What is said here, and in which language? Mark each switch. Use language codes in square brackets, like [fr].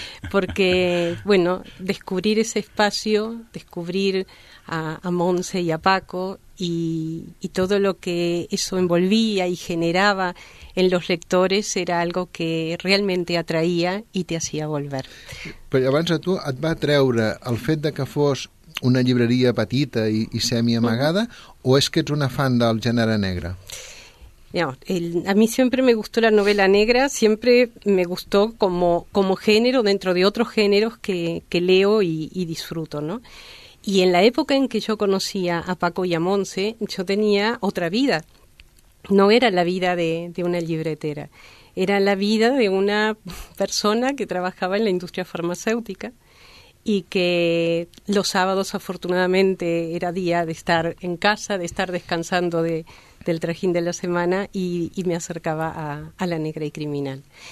[es] Porque, bueno, descubrir ese espacio, descubrir a Monse y a Paco y todo lo que eso envolvía y generaba en los lectores era algo que realmente atraía y te hacía volver. [ca] Pero abans a tu et va atreure el fet de que fos una llibreria petita i semi-amagada, o és que ets una fan del gènere negre? [es] A mí siempre me gustó la novela negra, siempre me gustó como género dentro de otros géneros que leo y disfruto, ¿no? Y en la época en que yo conocía a Paco y a Monse, yo tenía otra vida. No era la vida de una libretera, era la vida de una persona que trabajaba en la industria farmacéutica y que los sábados afortunadamente era día de estar en casa, de estar descansando del trajín de la semana y me acercaba a la Negra y Criminal.